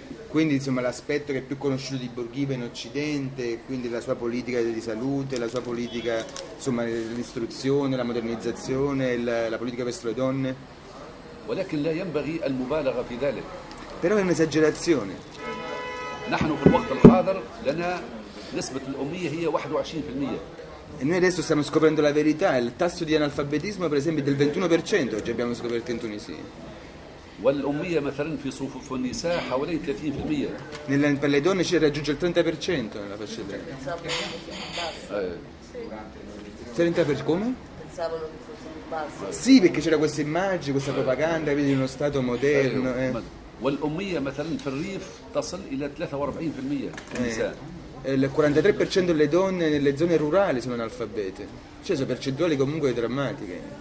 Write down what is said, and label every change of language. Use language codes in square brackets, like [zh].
[it] Quindi insomma l'aspetto che è più conosciuto di Bourguiba in Occidente, quindi la sua politica di salute, la sua politica insomma dell'istruzione, la modernizzazione, la politica verso le donne. [ar] ولكن لا ينبغي المبالغه في ذلك. [it] Però è un'esagerazione. [ar] نحن في الوقت الحاضر لنا نسبه الاميه هي 21%. [it] E noi adesso stiamo scoprendo la verità, il tasso di analfabetismo per esempio è del 21%, oggi abbiamo scoperto in Tunisia. Per le donne ci raggiunge il 30% nella fascia d'età. Pensavano che fosse più basso. Come? Pensavano che fosse più basso. Sì, perché c'era questa immagine, questa propaganda di uno Stato moderno. [ar] والاميه مثلا في الريف تصل الى 43% [it] Il 43% delle donne nelle zone rurali sono analfabete. Cioè sono percentuali comunque drammatiche.